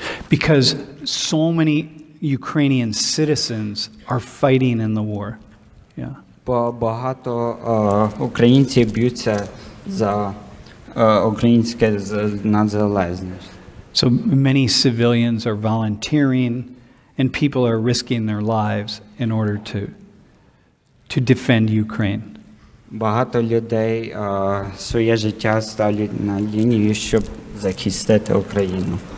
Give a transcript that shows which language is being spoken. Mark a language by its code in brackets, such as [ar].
[en] Because so many Ukrainian citizens are fighting in the war. Yeah. [uk] Бо багато українців б'ються за українське незалежність. [en] So many civilians are volunteering and people are risking their lives in order to defend Ukraine. [uk] Багато людей своє життя ставлять на лінію, щоб захистити Україну.